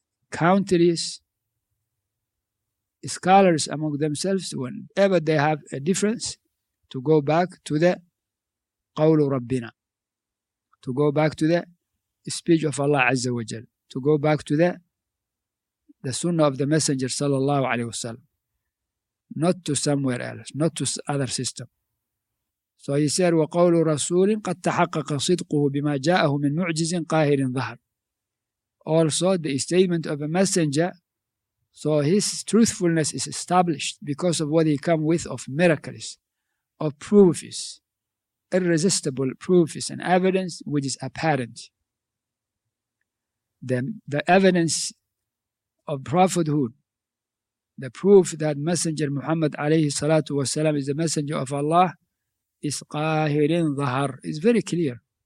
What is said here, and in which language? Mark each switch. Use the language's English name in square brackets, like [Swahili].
[English] countries, scholars among themselves, whenever they have a difference, to go back to the [Arabic] قول ربنا, [English] to go back to the speech of Allah Azza wa Jal, to go back to the sunnah of the Messenger sallallahu alayhi wa sallam, not to somewhere else, not to other system. So he said, [Arabic] وَقَوْلُ رَسُولٍ قَدْ تَحَقَّقَ صِدْقُهُ بِمَا جَاءَهُ مِنْ مُعْجِزٍ قَاهِرٍ ظَهَرٍ. [English] Also, the statement of a messenger, so his truthfulness is established because of what he come with of miracles, of proofs, irresistible proofs and evidence which is apparent. Then the evidence of prophethood, the proof that Messenger Muhammad alayhi salatu wasalam is the messenger of Allah, is qahirin zahar, is very clear.